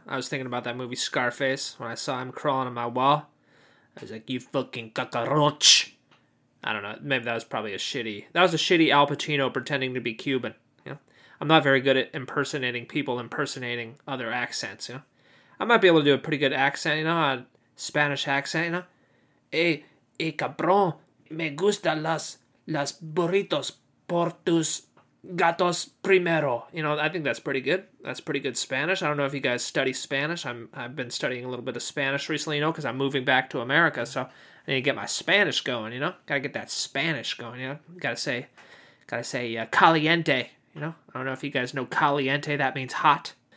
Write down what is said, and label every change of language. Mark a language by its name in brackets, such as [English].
[English] I was thinking about that movie Scarface when I saw him crawling on my wall. I was like, you fucking cockroach. I don't know. Maybe that was probably a shitty Al Pacino pretending to be Cuban. You know? I'm not very good at impersonating people impersonating other accents, you know? I might be able to do a pretty good accent, you know? A Spanish accent, you know? [Spanish] Hey, cabrón, me gusta las burritos por tus gatos primero. [English] You know, I think that's pretty good. That's pretty good Spanish. I don't know if you guys study Spanish. I've been studying a little bit of Spanish recently, you know, because I'm moving back to America. So I need to get my Spanish going, you know. Got to get that Spanish going, you know. Got to say caliente, you know. I don't know if you guys know caliente. That means hot.